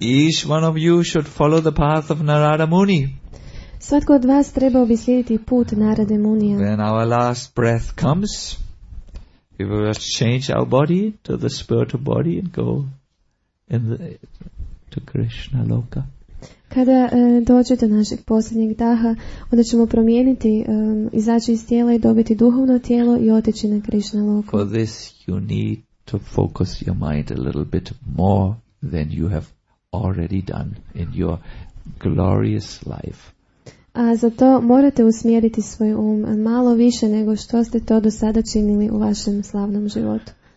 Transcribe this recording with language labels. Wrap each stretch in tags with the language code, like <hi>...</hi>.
<en>Each one of you should follow the path of Narada Muni.</en> <hr>Svatko od vas trebao bi slijediti put Narade Munija.</hr> <en>When our last breath comes, we will change our body to the spiritual body and go in the, to Krishna Loka.</en> <hr>Kada dođe do našeg posljednjeg daha, onda ćemo promijeniti, izaći iz tijela i dobiti duhovno tijelo i otići na Krishna loku.</hr> <en>For this you need to focus your mind a little bit more than you have already done in your glorious life.</en> <hr>A za to morate usmjeriti svoj um malo više nego što ste to do sada činili u vašem slavnom životu.</hr>